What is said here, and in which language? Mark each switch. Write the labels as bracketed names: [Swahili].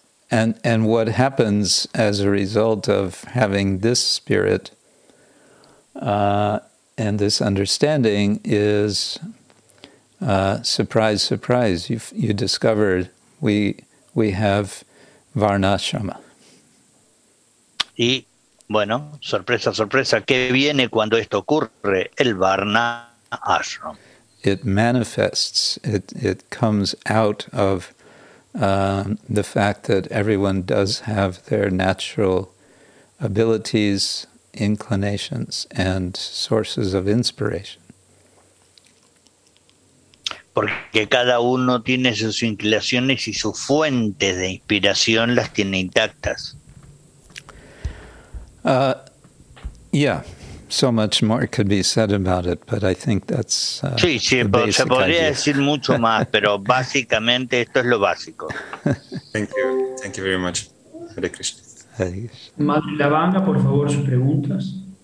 [English] And what happens as a result of having this spirit and this understanding is surprise, surprise, you discover we have Varnashrama. [Spanish] Y bueno, sorpresa, sorpresa, ¿qué viene cuando esto ocurre? El Varna Ashram. [English] It manifests, it comes out of the fact that everyone does have their natural abilities, inclinations, and sources of inspiration. [Spanish] Porque cada uno tiene sus inclinaciones y sus fuentes de inspiración las tiene intactas. [English] Yeah, so much more could be said about it, but I think that's sí, sí, the basic se podría idea. [Spanish] Decir mucho más, pero básicamente esto es lo básico. [English] Thank you very much. Hare Krishna. [Spanish] Madre Lavanga, por favor, sus preguntas.